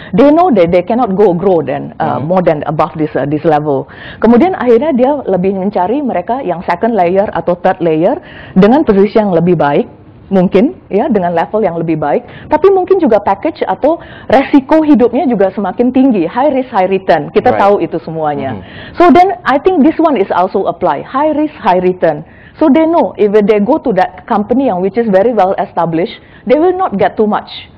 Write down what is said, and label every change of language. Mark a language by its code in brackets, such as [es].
[en] They know they cannot grow then more than above this level. [id] Kemudian akhirnya dia lebih mencari mereka yang second layer atau third layer dengan posisi yang lebih baik mungkin ya, dengan level yang lebih baik, tapi mungkin juga package atau resiko hidupnya juga semakin tinggi, [en] high risk high return. [id] Kita tahu itu semuanya. [en] So then I think this one is also apply, high risk high return. So they know if they go to that company yang which is very well established, they will not get too much.